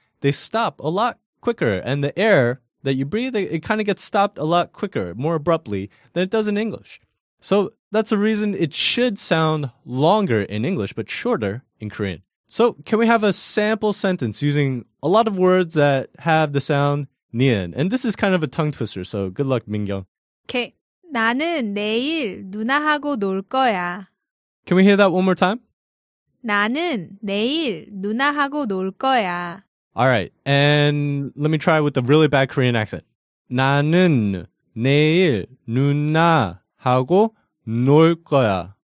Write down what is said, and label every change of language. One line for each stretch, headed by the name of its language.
English: They stop a lot quicker, and the air that you breathe, it kind of gets stopped a lot quicker, more abruptly, than it does in English. So that's the reason it should sound longer in English, but shorter in Korean. So can we have a sample sentence using a lot of words that have the sound 니은? And this is kind of a tongue twister, so good luck, 민경. Okay.
Korean: 나는 내일 누나하고 놀 거야.
English: Can we hear that one more time?
Korean: 나는 내일 누나하고 놀 거야.
English: All right. And let me try with a really bad Korean accent.
Korean: 나는 내일 누나하고 놀 거야.